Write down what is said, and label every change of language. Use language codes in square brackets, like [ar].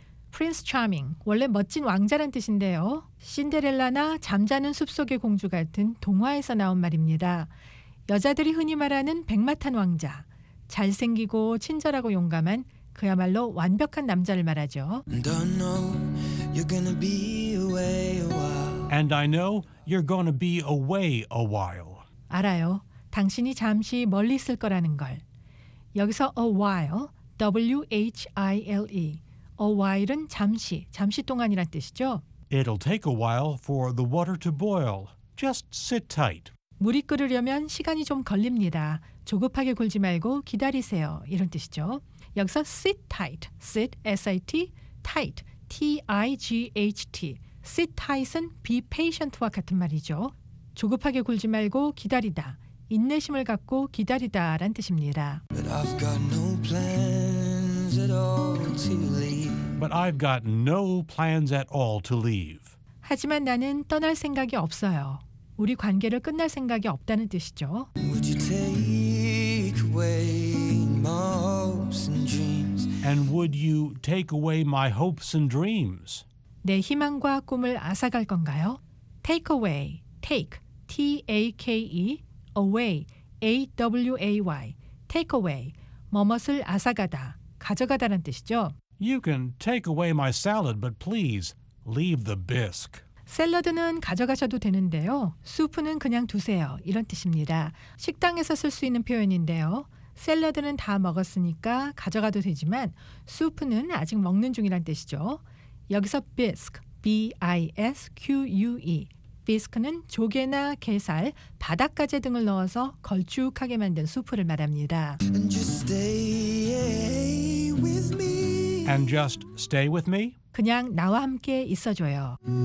[ko] Prince Charming, 원래 멋진 왕자란 뜻인데요. 신데렐라나 잠자는 숲속의 공주 같은 동화에서 나온 말입니다. 여자들이 흔히 말하는 백마탄 왕자, 잘생기고 친절하고 용감한 그야말로 완벽한 남자를 말하죠. [en] Don't know you're gonna be away a while. And I know you're gonna be away a while. [ko] 알아요. 당신이 잠시 멀리 있을 거라는 걸. [en] 여기서 a while, W-H-I-L-E. [ko] A while은 잠시, 잠시 동안이란 뜻이죠. [en] It'll take a while for the water to boil. Just sit tight. [ko] 물이 끓으려면 시간이 좀 걸립니다. 조급하게 굴지 말고 기다리세요. 이런 뜻이죠. [en] 여기서 sit tight, sit, S-I-T, tight, T-I-G-H-T. [ko] Sit tight은 be patient와 같은 말이죠. 조급하게 굴지 말고 기다리다, 인내심을 갖고 기다리다 라는 뜻입니다. [en] But I've got no plans at all to leave. But I've got no plans at all to leave. [ko] 하지만 나는 떠날 생각이 없어요. 우리 관계를 끝날 생각이 없다는 뜻이죠. [en] Would you take away my hopes and dreams? And would you take away my hopes and dreams? [ko] 내 희망과 꿈을 앗아갈 건가요? [en] Take away. Take, T-A-K-E, away, A-W-A-Y, take away, [ko] 뭐뭇을 앗아가다, 가져가다란 뜻이죠. [en] You can take away my salad, but please leave the bisque. [ko] 샐러드는 가져가셔도 되는데요. 수프는 그냥 두세요. 이런 뜻입니다. 식당에서 쓸 수 있는 표현인데요. 샐러드는 다 먹었으니까 가져가도 되지만 수프는 아직 먹는 중이란 뜻이죠. [en] 여기서 bisque, B-I-S-Q-U-E. [ko] 비스크는 조개나 게살, 바닷가재 등을 넣어서 걸쭉하게 만든 수프를 말합니다. [en] And just stay with me. And just stay with me? [ko] 그냥 나와 함께 있어줘요.